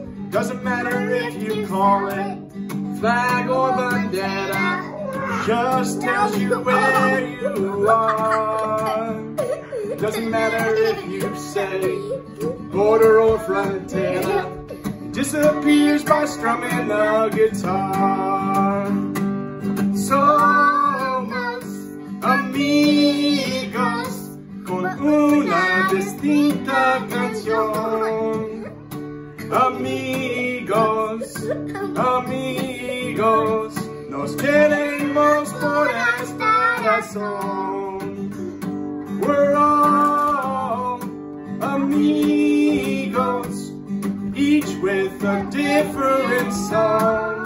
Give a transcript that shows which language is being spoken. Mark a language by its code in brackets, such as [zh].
[en] Doesn't matter if you call it flag or bandera, just tells you where you are. Doesn't matter if you say border or frontera, disappears by strumming a guitar. [es] Somos amigos con una distinta canción. Amigos, amigos, nos queremos por esta razón. [en] We're all amigos, each with a different song.